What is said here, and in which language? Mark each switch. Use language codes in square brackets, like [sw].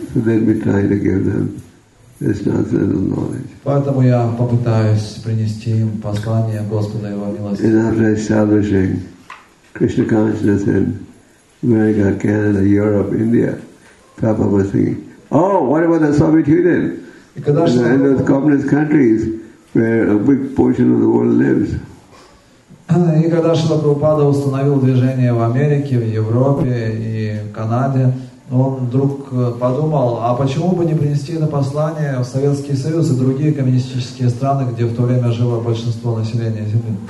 [en] So let me try to give them this transcendental knowledge. [ru] Поэтому я попытаюсь принести им послание Господа Его милости. [en] And after establishing Krishna consciousness in America, Canada, Europe, India, Papa was thinking, oh, what about the Soviet Union? And those communist countries where a big portion of the world lives. [ru] И когда Шрила Прабхупада установил движение в Америке, в Европе и в Канаде, он вдруг подумал, а почему бы не принести это послание в Советский Союз и другие коммунистические страны, где в то время жило большинство населения Земли.